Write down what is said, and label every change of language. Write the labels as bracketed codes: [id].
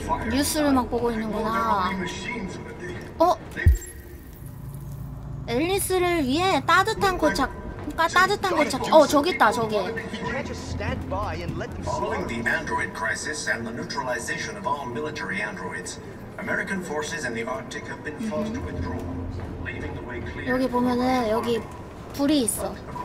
[ko] 뉴스를 막 보고 있는구나. 어? 앨리스를 위해 따뜻한 곳 찾. 까 따뜻한 걸 찾고. 어, 저기 있다. 저기. [en] Following the android crisis and the neutralization of all military androids, American forces in the Arctic have been forced to withdraw, leaving the way clear. [ko] 여기 보면은 여기 불이 있어.